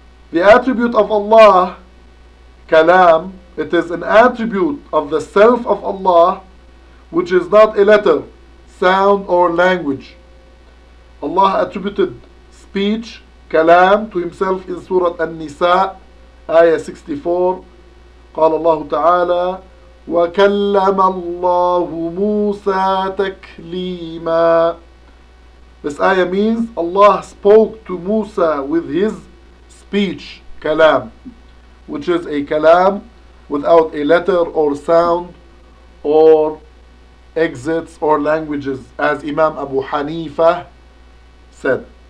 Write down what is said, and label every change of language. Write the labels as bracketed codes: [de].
[en] The attribute of Allah, kalam, it is an attribute of the self of Allah, which is not a letter, sound or language. Allah attributed speech, kalam, to Himself in Surah An-Nisa, Ayah 64. [ar] قال الله تعالى وكلم الله موسى تكليما. [en] This ayah means Allah spoke to Musa with His speech, kalam, which is a kalam without a letter or sound or exits or languages, as Imam Abu Hanifa said.